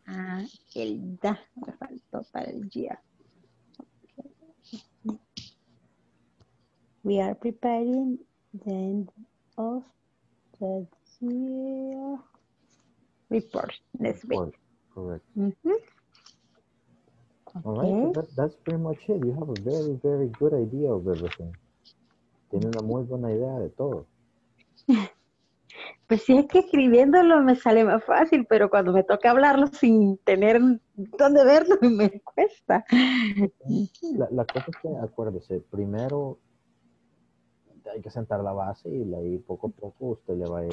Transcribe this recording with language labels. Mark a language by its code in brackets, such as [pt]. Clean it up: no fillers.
[es] Ah, el da me faltó para el día. [en] We are preparing the end of the year report next week. Correct. All right, so that's pretty much it. You have a very, very good idea of everything. [es] Tiene una muy buena idea de todo. Pues sí, es que escribiéndolo me sale más fácil, pero cuando me toca hablarlo sin tener dónde verlo, me cuesta. La cosa es que, acuérdese, primero hay que sentar la base y ahí poco a poco usted le va a ir.